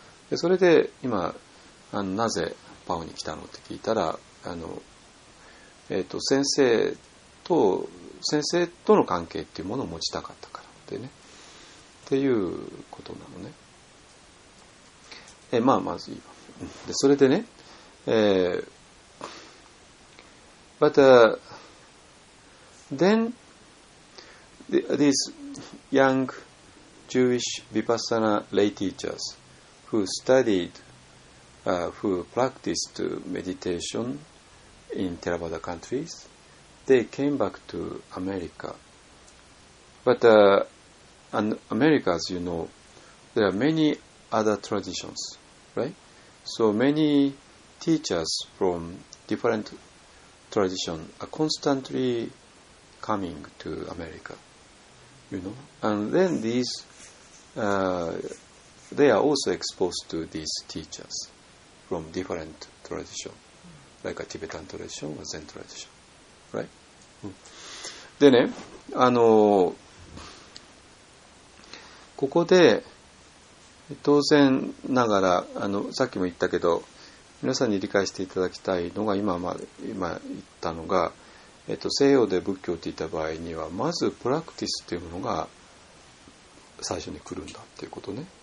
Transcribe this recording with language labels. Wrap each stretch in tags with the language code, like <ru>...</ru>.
<ja>でそれで今、あのなぜパオに来たのって聞いたら、あの先生との関係っていうものを持ちたかったからでね、っていうことなのね。まあまずいいわ。でそれでね、</ja> <en>But then these young Jewish Vipassana lay teachers who studied, who practiced meditation. In Theravada countries, they came back to America. But in America, as you know, there are many other traditions, right? So many teachers from different traditions are constantly coming to America, you know? And then these, they are also exposed to these teachers from different traditions. Like a Tibetan tradition or Zen tradition, right?</en> <ja>でね、ここで当然ながら、さっきも言ったけど、皆さんに理解していただきたいのが今言ったのが、西洋で仏教って言った場合にはまずプラクティスというものが最初に来るんだっていうことね。</ja>